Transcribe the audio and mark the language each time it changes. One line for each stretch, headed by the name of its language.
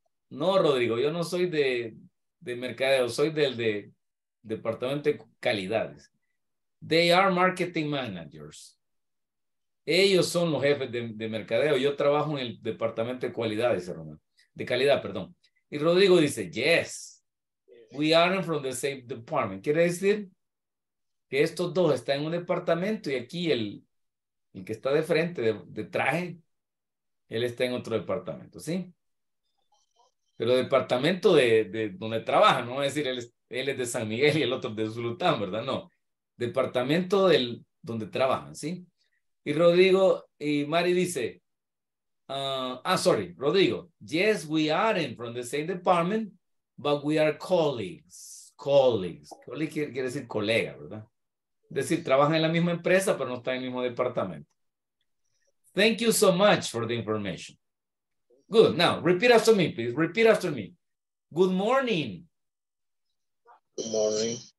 Spanish: No, Rodrigo, yo no soy de mercadeo, soy del de departamento de calidades.
English: They are marketing managers.
Spanish: Ellos son los jefes de mercadeo. Yo trabajo en el departamento de calidad, dice Romeo. De calidad, perdón. Y Rodrigo dice,
English: yes, we are from the same department.
Spanish: Quiere decir que estos dos están en un departamento y aquí el que está de frente, de traje, él está en otro departamento, ¿sí? Pero departamento de donde trabaja, no es decir, él es de San Miguel y el otro de Zulután, ¿verdad? No, departamento del donde trabajan, ¿sí? Y Rodrigo y Mari dice,
English: sorry,
Spanish: Rodrigo.
English: Yes, we are in from the same department, but we are colleagues.
Spanish: Colleagues. Colleague quiere decir colega, ¿verdad? Es decir, trabajan en la misma empresa, pero no están en el mismo departamento.
English: Thank you so much for the information. Good. Now, repeat after me, please. Repeat after me. Good morning. Good morning.